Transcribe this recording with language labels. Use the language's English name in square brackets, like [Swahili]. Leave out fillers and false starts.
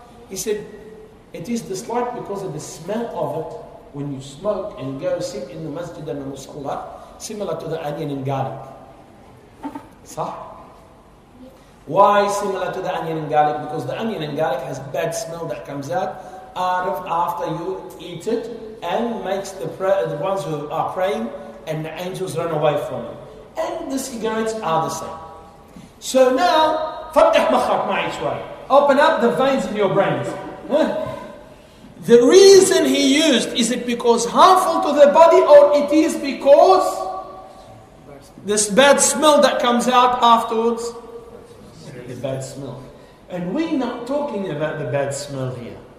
[English] He said, it is disliked because of the smell of it when you smoke and go sit in the masjid and the musalla, similar to the onion and garlic. Sah? Why similar to the onion and garlic? Because the onion and garlic has bad smell that comes out of after you eat it and makes the ones who are praying and the angels run away from you. And the cigarettes are the same. So now, [Arabic] فتح مخك معي شوي. [English] Open up the veins in your brains. The reason he used, is it because harmful to the body or it is because this bad smell that comes out afterwards? The bad smell. And we're not talking about the bad smell here.